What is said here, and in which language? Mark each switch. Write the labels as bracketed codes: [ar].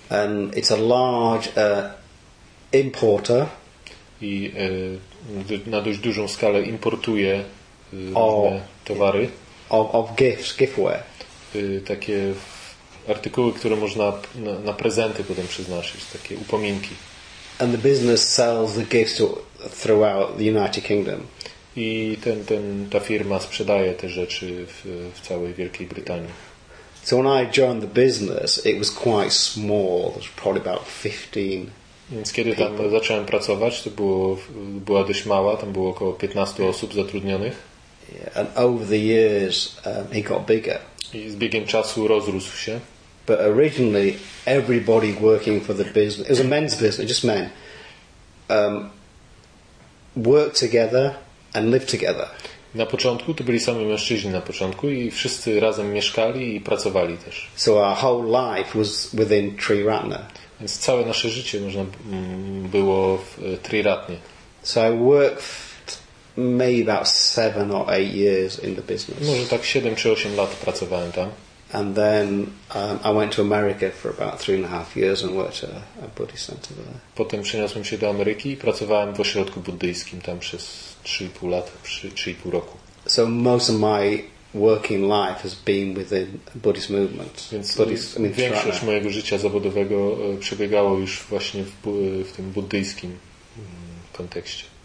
[en] and it's a large importer. [pl] I na dość dużą skalę importuje różne towary [en] of gifts, giftware, [pl] takie artykuły, które można na prezenty potem przeznaczyć, takie upominki. [en] And the business sells the gifts throughout the United Kingdom. [pl] I ta firma sprzedaje te rzeczy w całej Wielkiej Brytanii. [en] So when I joined the business, it was quite small. It was probably about 15. [pl] Więc kiedy tam zacząłem pracować, to była dość mała. Tam było około 15 osób zatrudnionych. Yeah. [en] And over the years, it got bigger. [pl] I z biegiem czasu rozrósł się. [en] But originally, everybody working for the business—it was a men's business, just men—worked together and lived together. [pl] Na początku to byli sami mężczyźni na początku i wszyscy razem mieszkali i pracowali też. [en] So our whole life was within Tri Ratna. [pl] Więc całe nasze życie można było w Tri Ratnie. [en] So I worked maybe about 7 or 8 years in the business. [pl] Może tak 7 czy 8 lat pracowałem tam. [en] And then I went to America for about 3.5 years and worked at a Buddhist center there. [pl] Potem przeniosłem się do Ameryki i pracowałem w ośrodku buddyjskim tam przez 3.5 roku. [en] So most of my working life has been within Buddhist movement. [pl] Większość mojego życia zawodowego przebiegało już właśnie w tym buddyjskim kontekście.